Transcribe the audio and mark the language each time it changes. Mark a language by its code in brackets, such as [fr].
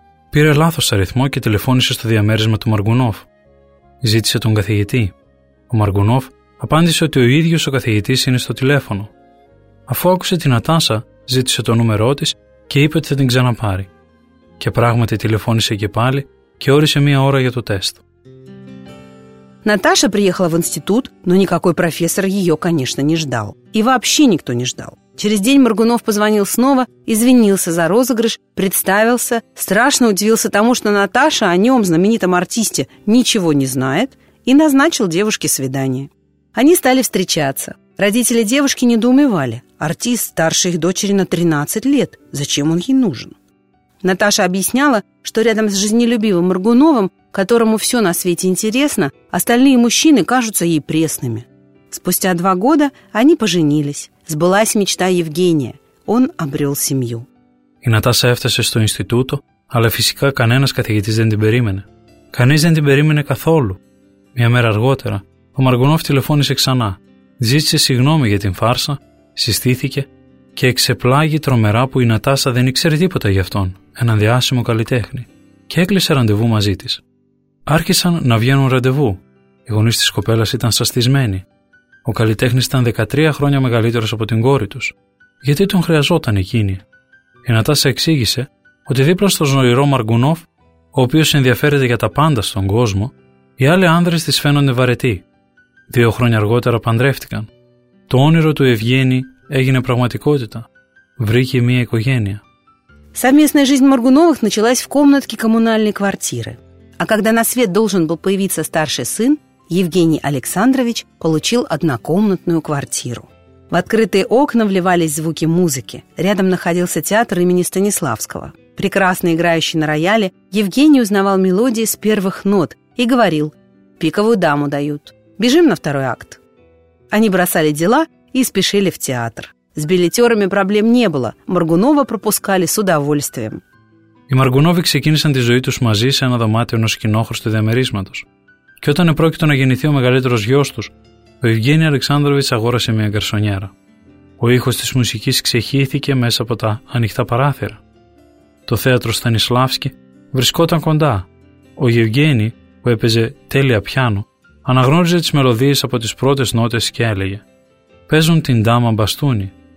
[el] Πήρε λάθος αριθμό και τηλεφώνησε στο διαμέρισμα του Μαργκουνόφ. Ζήτησε τον καθηγητή. Ο Μαργκουνόφ απάντησε ότι ο ίδιος ο καθηγητής είναι στο τηλέφωνο. Αφού άκουσε την Ατάσα, ζήτησε το νούμερό της και είπε ότι θα την ξαναπάρει. Και πράγματι τηλεφώνησε και πάλι και όρισε μία ώρα για το τεστ. [ru] Наташа приехала в институт, но никакой профессор ее, конечно, не ждал. И вообще никто не ждал. Через день Маргунов позвонил снова, извинился за розыгрыш, представился, страшно удивился тому, что Наташа о нем, знаменитом артисте, ничего не знает, и назначил девушке свидание. Они стали встречаться. Родители девушки недоумевали. Артист старше их дочери на 13 лет. Зачем он ей нужен? Наташа объясняла, что рядом с жизнелюбивым Маргуновым, которому все на свете интересно, остальные мужчины кажутся ей пресными. Спустя 2 года они поженились. Сбылась мечта Евгения. Он обрел семью. И [el] Наташа έφτασε στο Ινστιτούτο, αλλά φυσικά κανένας καθηγητής δεν την περίμενε. Κανείς δεν την περίμενε καθόλου. Μια μέρα αργότερα, ο Μαργκουνόφ τηλεφώνησε ξανά. Ζήτησε συγγνώμη για την φάρσα, συστήθηκε και εξεπλάγει τρομερά που η Νατάσα δεν ήξερε τίποτα για αυτόν, έναν διάσημο καλλιτέχνη, και έκλεισε ραντεβού μαζί της. Άρχισαν να βγαίνουν ραντεβού. Οι γονείς της κοπέλας ήταν σαστισμένοι. Ο καλλιτέχνης ήταν 13 χρόνια μεγαλύτερος από την κόρη τους. Γιατί τον χρειαζόταν εκείνη? Η Νατάσα εξήγησε ότι δίπλα στο ζωηρό Μαργκουνόφ, ο οποίος ενδιαφέρεται για τα πάντα στον κόσμο, οι άλλοι άνδρες της φαίνονται βαρετοί. 2 χρόνια αργότερα παντρεύτηκαν. Το όνειρο του Ευγένη έγινε πραγματικότητα. Βρήκε μια οικογένεια. [ru] Совместная жизнь Маргуновых началась в комнатке коммунальной квартиры. А когда на свет должен был появиться старший сын, Евгений Александрович получил однокомнатную квартиру. В открытые окна вливались звуки музыки. Рядом находился театр имени Станиславского. Прекрасно играющий на рояле, Евгений узнавал мелодии с первых нот и говорил: «Пиковую даму дают. Бежим на 2-й акт». Они бросали дела и спешили в театр. С билетерами проблем не было. Маргунова пропускали с удовольствием. [el] Οι Μαργκουνόβοι ξεκίνησαν τη ζωή τους μαζί σε ένα δωμάτιο ενός κοινόχρηστου διαμερίσματος. Και όταν επρόκειτο να γεννηθεί ο μεγαλύτερος γιος τους, ο Ευγένη Αλεξάνδροβιτς αγόρασε μια γκαρσονιέρα. Ο ήχος της μουσικής ξεχύθηκε μέσα από τα ανοιχτά παράθυρα. Το θέατρο Στανισλάφσκι βρισκόταν κοντά. Ο Γευγένη, που έπαιζε τέλεια πιάνο, αναγνώριζε τις μελωδίες από τις πρώτες νότες και έλεγε: «Παίζουν την Ντάμα Μπαστούνι.